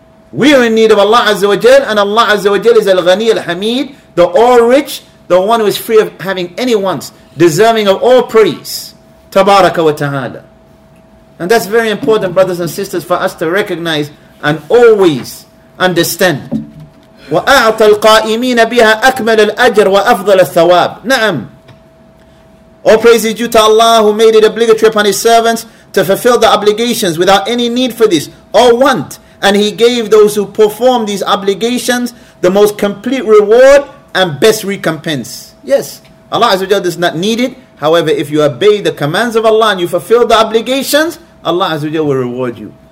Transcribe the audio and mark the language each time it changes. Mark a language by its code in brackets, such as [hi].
[en] We are in need of Allah Azza wa Jal, and Allah Azza wa Jal is Al-Ghani Al-Hamid, the All-Rich, the one who is free of having any wants, deserving of all praise. Tabaraka wa ta'ala. And that's very important, brothers and sisters, for us to recognize and always understand. [ar] وأعطى القائمين بها أكمل الأجر وأفضل الثواب. نعم. [en] All praise is due to Allah who made it obligatory upon His servants to fulfill the obligations without any need for this or want. And He gave those who perform these obligations the most complete reward and best recompense. Yes, Allah Azza wa Jalla does not need it. However, if you obey the commands of Allah and you fulfill the obligations, Allah Azza wa Jalla will reward you.